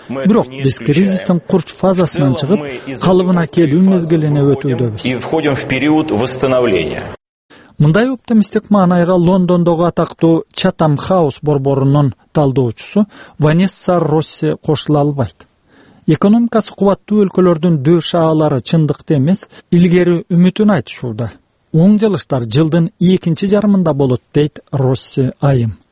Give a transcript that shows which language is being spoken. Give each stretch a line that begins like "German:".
Kyrgyz: Бирок биз кризистин курч фазасынан чыгып, калыбына келүү мезгилине өтүүдөбүз.
Russian: И входим в период восстановления.
Kyrgyz: Мындай оптимисттик маанайга Лондондогу атактуу Чатам Хаус борборунун талдоочусу Ванесса Росси кошула албайт. Экономикасы кубаттуу өлкөлөрдүн дөө шаалары чындыкты эмес, илгери үмүтүн айтышууда. Оң жылыштар жылдын 2-жарымында болот, дейт Росси айым.